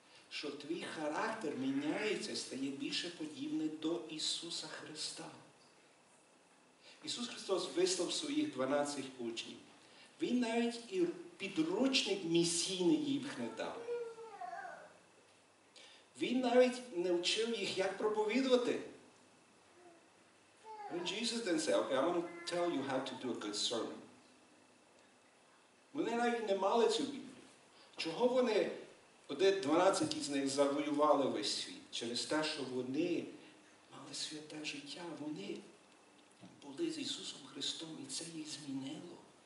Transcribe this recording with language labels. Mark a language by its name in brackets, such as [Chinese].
[Ukrainian] Що твій характер міняється, стає більше подібний до Ісуса Христа. Ісус Христос вислав своїх 12 учнів. Він навіть і підручник місійний їм не дав. Він навіть не вчив їх, як проповідувати. [English] And Jesus didn't say, okay, I'm going to tell you how to do a good sermon. [Ukrainian] Вони навіть не мали цю Біблію. Чого вони, оде 12 із них, завоювали весь світ? Через те, що вони мали святе життя. Вони були з Ісусом Христом, і це їх змінило.